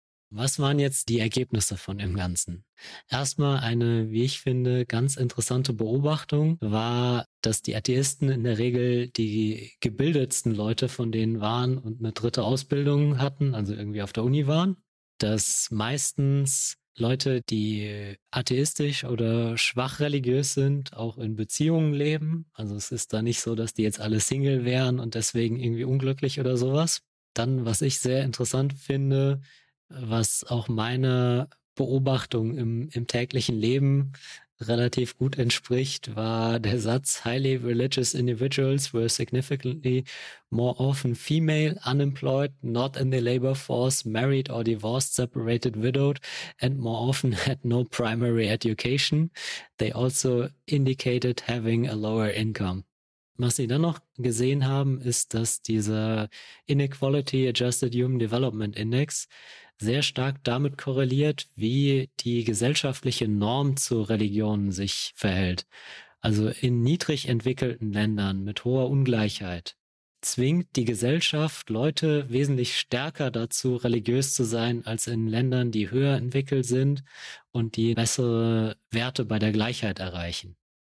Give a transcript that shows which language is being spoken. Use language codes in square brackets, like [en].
[de] Was waren jetzt die Ergebnisse von dem Ganzen? Erstmal eine, wie ich finde, ganz interessante Beobachtung war, dass die Atheisten in der Regel die gebildetsten Leute von denen waren und eine dritte Ausbildung hatten, also irgendwie auf der Uni waren, dass meistens Leute, die atheistisch oder schwach religiös sind, auch in Beziehungen leben. Also es ist da nicht so, dass die jetzt alle Single wären und deswegen irgendwie unglücklich oder sowas. Dann, was ich sehr interessant finde, was auch meiner Beobachtung im täglichen Leben relativ gut entspricht, war der Satz, [en] highly religious individuals were significantly more often female, unemployed, not in the labor force, married or divorced, separated, widowed, and more often had no primary education. They also indicated having a lower income. [de] Was sie dann noch gesehen haben, ist, dass dieser Inequality Adjusted Human Development Index sehr stark damit korreliert, wie die gesellschaftliche Norm zur Religion sich verhält. Also in niedrig entwickelten Ländern mit hoher Ungleichheit zwingt die Gesellschaft Leute wesentlich stärker dazu, religiös zu sein, als in Ländern, die höher entwickelt sind und die bessere Werte bei der Gleichheit erreichen.